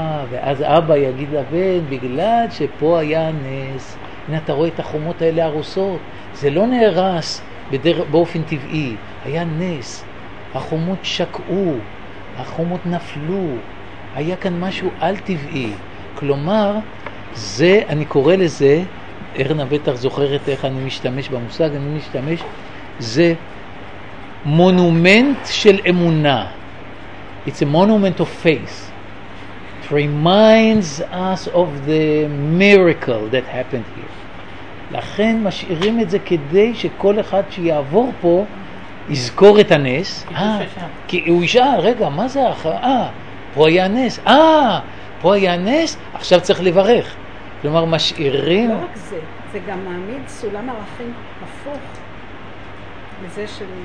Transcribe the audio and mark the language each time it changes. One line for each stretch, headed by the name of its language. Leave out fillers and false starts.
Hebrew: ואז אבא יגיד לבן, בגלל שפה היה נס, הנה אתה רואה את החומות האלה הרוסות, זה לא נהרס באופן טבעי, היה נס, החומות שקעו, החומות נפלו, היה כאן משהו על טבעי. כלומר, זה, אני קורא לזה, ארנה בטח זוכרת איך אני משתמש במושג, אני משתמש, זה מונומנט של אמונה.
English: It's a monument of faith. It reminds us of the miracle that happened here.
Hebrew: לכן משאירים את זה כדי שכל אחד שיעבור פה יזכור את הנס. כי הוא ישאל, רגע, מה זה אחר? פה היה נס. פה היה נס, עכשיו צריך לברך. כלומר, משאירים... לא רק זה, זה גם מעמיד סולם ערכים הפוך לזה של...